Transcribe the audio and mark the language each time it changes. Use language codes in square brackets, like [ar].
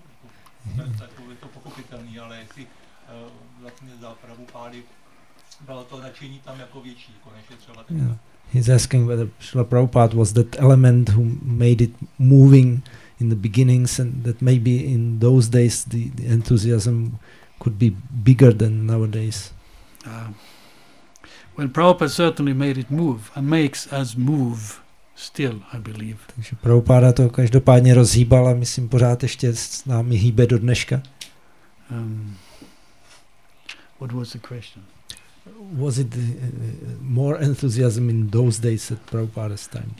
[cs] Jako, takový je to pochopitelný, ale jestli vlastně za Prabhupády bylo to nadšení tam jako větší, jako než je třeba ten. [en] He's asking whether Srila Prabhupada was that element who made it moving in the beginnings, and that maybe in those days the enthusiasm could be bigger than nowadays. Well, Prabhupada certainly made it move and makes us move still, I believe. [cs] Takže Prabhupada to každopádně rozhýbal a myslím pořád ještě s námi hýbe do dneška. [en] What was the question? Was it more enthusiasm in those days at Prabhupada's time?